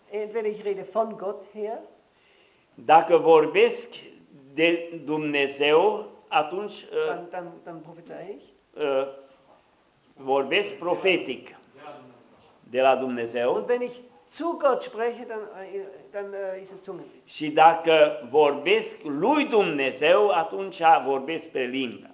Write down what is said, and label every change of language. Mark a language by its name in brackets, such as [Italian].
[German] Entweder ich rede von Gott her. [Romanian] Dacă vorbesc de Dumnezeu, atunci [German] dann prophezeie ich. [Romanian] Vorbesc profetic de la Dumnezeu. [German] Und wenn ich zu Gott spreche, dann ist es Zunge. [Romanian] Și dacă vorbesc lui Dumnezeu, atunci vorbesc pe limbă.